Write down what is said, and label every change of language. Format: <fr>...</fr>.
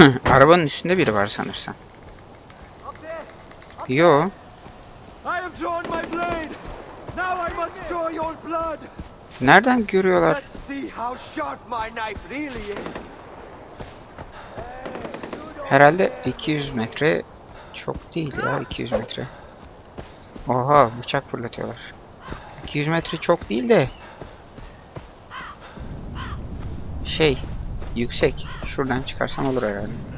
<tr>arabanın üstünde biri var sanırsam.</tr> <en>Yo. I have drawn my blade. Now I must draw your blood.</en> <tr>Nereden görüyorlar?</tr> <en>Let's see how sharp my knife really is.</en> <tr>Herhalde 200 metre çok değil ya, 200 metre. Oha, bıçak fırlatıyorlar. 200 metre çok değil de şey, yüksek. Şuradan çıkarsam olur herhalde.</tr>